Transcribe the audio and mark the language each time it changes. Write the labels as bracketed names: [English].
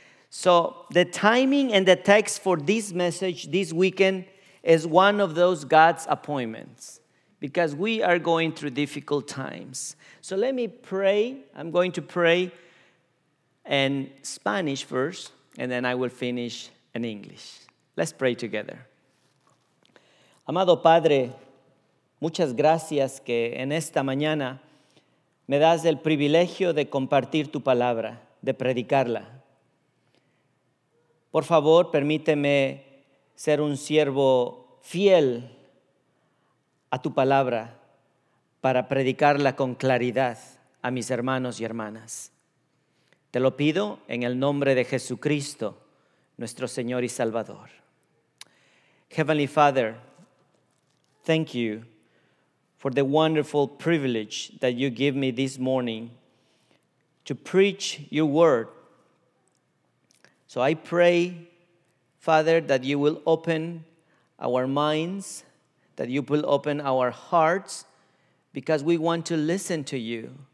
[English] So the timing and the text for this message this weekend is one of those God's appointments, because we are going through difficult times. So let me pray. I'm going to pray in Spanish first, and then I will finish in English. Let's pray together. [Spanish] Amado Padre, muchas gracias que en esta mañana me das el privilegio de compartir tu palabra, de predicarla. Por favor, permíteme ser un siervo fiel a tu palabra para predicarla con claridad a mis hermanos y hermanas. Te lo pido en el nombre de Jesucristo, nuestro Señor y Salvador. [English] Heavenly Father, thank you for the wonderful privilege that you give me this morning to preach your word. So I pray, Father, that you will open our minds, that you will open our hearts, because we want to listen to you.